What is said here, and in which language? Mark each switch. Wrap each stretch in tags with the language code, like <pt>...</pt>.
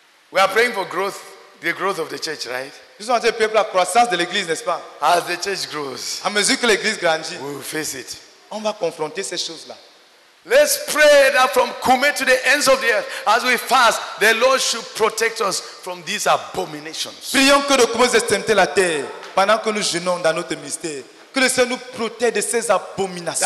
<en>We are praying for growth, the growth of the church, right?</en> <fr>Nous sommes en train de prier pour la croissance de l'église, n'est-ce pas?</fr> <en>As the church grows.</en> <fr>À mesure que l'église grandit.</fr> <en>We will face it.</en> <fr>On va confronter ces choses-là.</fr> <en>Let's pray that from Kume to the ends of the earth, as we fast, the Lord should protect us from these abominations.</en> <fr>Prions que de Kume aux extrémités de la terre, pendant que nous jeûnons dans notre mystère, que le Seigneur nous protège de ces abominations.</fr>